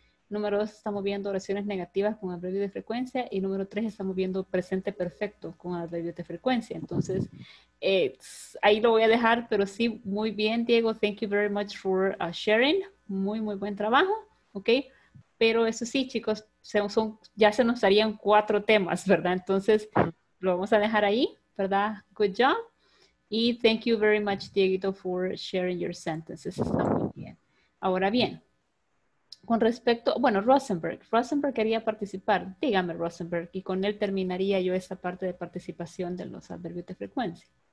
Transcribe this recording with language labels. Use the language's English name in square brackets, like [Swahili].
[Spanish] Número dos, estamos viendo oraciones negativas con adverbios de frecuencia. Y número tres, estamos viendo presente perfecto con adverbios de frecuencia. Entonces, ahí lo voy a dejar, pero sí, muy bien, Diego. [English] Thank you very much for sharing. [Spanish] Muy, muy buen trabajo, [English] ¿ok? [Spanish] Pero eso sí, chicos, ya se nos harían cuatro temas, ¿verdad? Entonces, lo vamos a dejar ahí, ¿verdad? [English] Good job. Y thank you very much, Dieguito, for sharing your sentences. [Spanish] Está muy bien. Ahora bien. Con respecto, bueno, Rosenberg quería participar, dígame Rosenberg, y con él terminaría yo esta parte de participación de los adverbios de frecuencia.